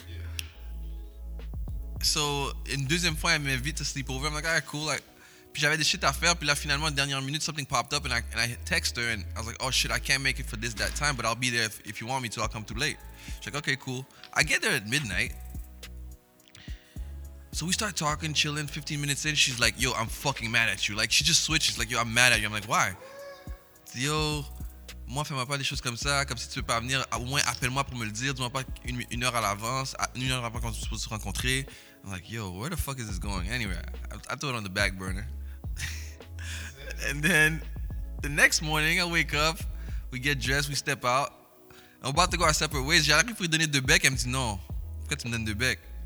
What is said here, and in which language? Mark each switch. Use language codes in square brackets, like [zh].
[en] Yeah. So in [fr] deuxième fois elle m'invite [en] to sleep over. I'm like, all right, cool, like, [fr] puis j'avais des shit à faire, puis là finalement dernière minute [en] something popped up and I text her and I was like, oh shit, I can't make it for this that time, but I'll be there if you want me to, I'll come too late. She's like, okay, cool. I get there at midnight. So we start talking, chilling. 15 minutes in, she's like, yo, I'm fucking mad at you. Like, she just switches. Like, yo, I'm mad at you. I'm like, why? [fr] Dis, yo, moi, fais-moi pas des choses comme ça. Comme si tu peux pas venir, au moins, appelle-moi pour me le dire. Dis-moi pas une heure à l'avance. Une heure après quand tu es supposé se rencontrer. [en] I'm like, yo, where the fuck is this going? Anyway, I throw it on the back burner. And then, the next morning, I wake up. We get dressed. We step out. I'm about to go our separate ways. [fr] J'ai l'air pour lui donner deux becs. Elle me dit, non. Pourquoi tu me donnes deux becs?